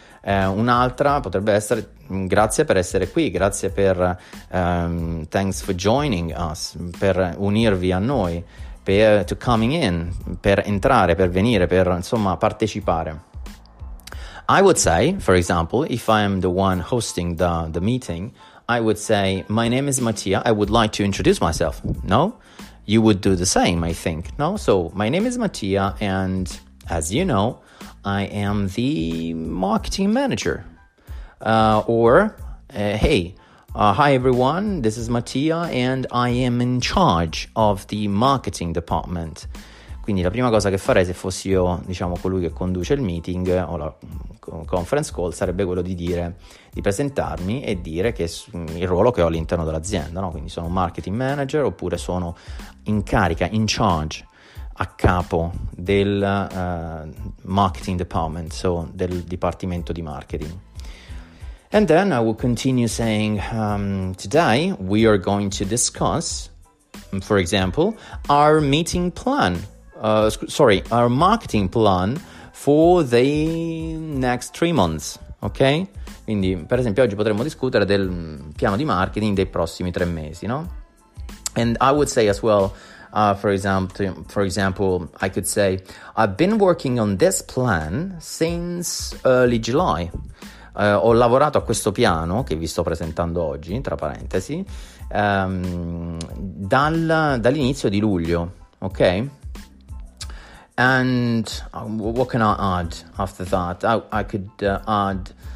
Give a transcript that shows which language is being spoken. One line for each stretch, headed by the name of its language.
Italian: Un'altra potrebbe essere grazie per essere qui, grazie per
English: thanks for joining us,
Italian: per unirvi a noi, per
English: to coming in,
Italian: per entrare, per venire, per insomma partecipare.
English: I would say, for example, if I am the one hosting the meeting, I would say, my name is Mattia, I would like to introduce myself. No? You would do the same, I think. No? So, my name is Mattia, and as you know, I am the marketing manager. Hi everyone, this is Mattia, and I am in charge of the marketing department.
Italian: Quindi la prima cosa che farei se fossi io, diciamo, colui che conduce il meeting o la conference call, sarebbe quello di presentarmi e dire che il ruolo che ho all'interno dell'azienda, no? Quindi sono marketing manager oppure sono in carica,
English: in charge,
Italian: a capo del marketing department, so del dipartimento di marketing.
English: And then I will continue saying, today we are going to discuss, for example, our meeting plan. Our marketing plan for the next 3 months, ok?
Italian: Quindi, per esempio, oggi potremmo discutere del piano di marketing dei prossimi 3 mesi, no?
English: And I would say as well, for example, I could say, I've been working on this plan since early July.
Italian: Ho lavorato a questo piano che vi sto presentando oggi, tra parentesi, dall'inizio di luglio, ok?
English: And what can I add after that?